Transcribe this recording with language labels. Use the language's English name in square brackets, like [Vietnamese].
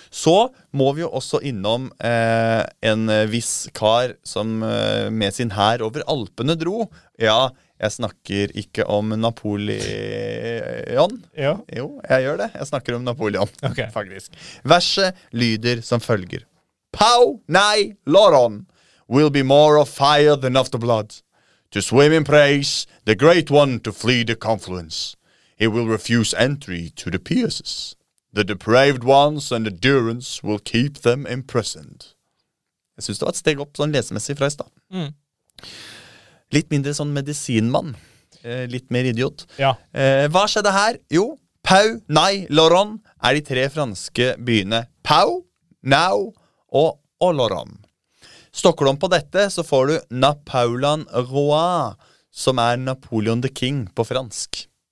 [Norwegian] Så må vi jo også innom en viss kar som med sin hær over Alpene dro. Ja, jeg snakker ikke om Napoleon. Ja. Jo, jeg gjør det. Jeg snakker om Napoleon, okay. Faktisk. Verset lyder som følger. [English] Pau, nei, Loron, will be more of fire than of the blood. To swim in praise, the great one to flee the confluence. He will refuse entry to the pierces. The depraved ones and the durance will keep them imprisoned. [Norwegian] Jeg synes det var et steg opp sånn lesemessig fra i sted. Mm. Litt mindre sånn medisinmann. Litt mer idiot. Ja. Hva skjedde her? Jo, Pau, Nei, Loron de tre franske byene. Pau, Nau og Oloron. Stokker du om på dette så får du Napoleon Roi, som Napoleon [English] the King [Norwegian] på fransk.